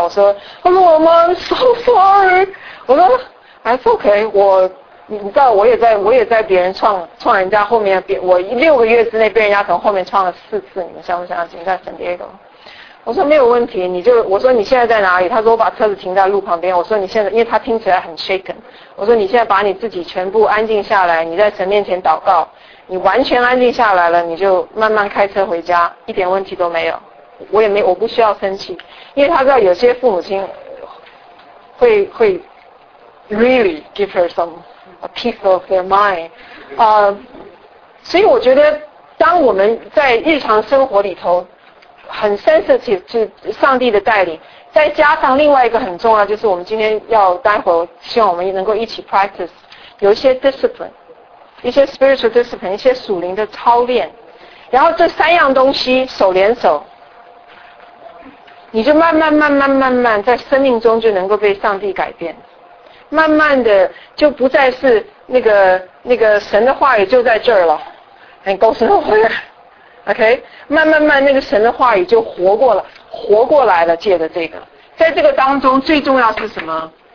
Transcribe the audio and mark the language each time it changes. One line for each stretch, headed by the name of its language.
Chinese: 我说我妈
English: I'm so sorry，
Chinese: 我说
English: that's ok，
Chinese: 你知道我也在别人撞人家后面，我六个月之内被人家从后面撞了四次，你们相不相信，在 San Diego。我说没有问题，我说你现在在哪里，他说我把车子停在路旁边。我说你现在，因为他听起来很
English: shaken，
Chinese: 我说你现在把你自己全部安静下来，你在神面前祷告，你完全安静下来了，你就慢慢开车回家，一点问题都没有。我不需要生气，因为他知道有些父母亲会
English: really give her some a piece of their mind。
Chinese: 所以我觉得，当我们在日常生活里头很
English: sensitive
Chinese: 就上帝的带领，再加上另外一个很重要，就是我们今天要待会希望我们能够一起 practice 有一些 discipline。一些
English: spiritual discipline，
Chinese: 一些属灵的操练，然后这三样东西手连手，你就慢慢慢慢慢慢在生命中就能够被上帝改变，慢慢的就不再是那个神的话语就在这儿了
English: and goes nowhere，
Chinese: OK， 慢慢慢那个神的话语就活过来了，借着这个，在这个当中最重要是什么？